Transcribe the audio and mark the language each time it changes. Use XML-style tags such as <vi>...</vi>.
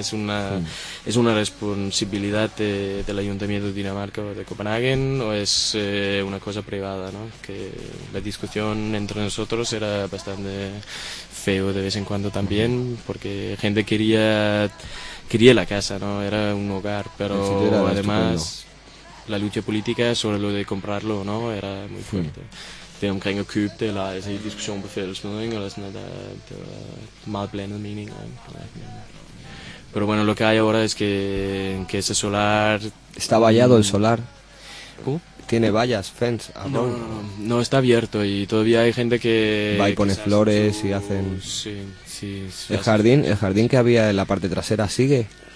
<es>Es una es una responsabilidad del Ayuntamiento de Dinamarca o de Copenhague, o es una cosa privada, ¿no? Que la discusión entre nosotros era bastante feo de vez en cuando también, porque gente quería... Quería la casa, ¿no? Era un hogar, pero además la lucha política sobre lo de comprarlo, ¿no? Era muy fuerte.</es> <da>Det omkring at købe det, eller altså i diskussion på fællesmøde, ikke? Eller sådan noget, det var meget blandet mening.</da> <es>Pero bueno, lo que hay ahora es que ese solar... Está vallado el solar. ¿Cómo? Tiene vallas, fence, abajo. No, está abierto y todavía hay gente que... Va y pone flores y hacen... Sí, el jardín que había en la parte trasera sigue.</es>